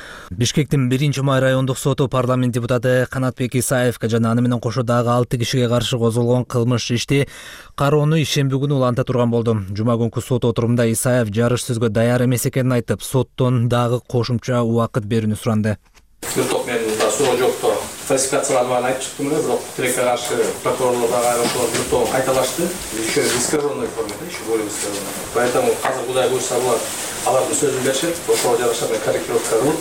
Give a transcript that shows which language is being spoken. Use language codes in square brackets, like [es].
[ky] Бишкектин 1-май райондук соту парламент депутаты Канатбек Исаевке жана аны менен кошо дагы 6 кишиге каршы козголгон кылмыш ишти кароону ишемби күнү уланта турган болду. Жума күнкү сот отурумунда Исаев жарыш сөзгө даяр эмес экенин айтып, соттон дагы кошумча убакыт берүүнү суранды. Сотто мен суроо жокто фальсификацияланганын айтып чыктым эле, бирок тилекке каршы прокурорлор дагы айрымшылар бирто кайталашты. [ru] Еще искаженный форме, еще более искаженный. Поэтому [ky] азыр кудай буюрса болот. Алардын сөзүн беришет, ошого жараша мен корректировка